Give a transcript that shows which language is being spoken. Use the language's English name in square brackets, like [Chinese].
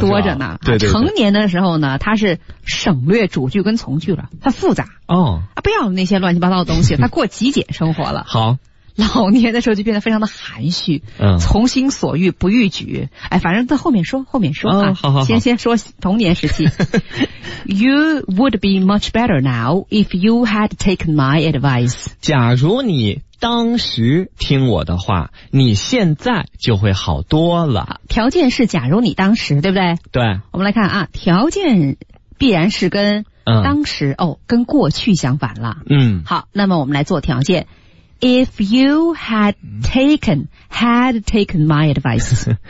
[Chinese] 多着呢。对 对。成年的时候呢，它是省略主句跟从句了，它复杂。哦，啊，不要那些乱七八糟的东西，它过极简生活了。好。老年的时候就变得非常的含蓄，从心所欲不逾矩。哎，反正在后面说啊，好，先说童年时期。 [English] You would be much better now if you had taken my advice。 [Chinese] 假如你当时听我的话，你现在就会好多了。条件是假如你当时，对不对？对。我们来看啊，条件必然是跟当时，跟过去相反了。好，那么我们来做条件。 [English] If you had taken my advice，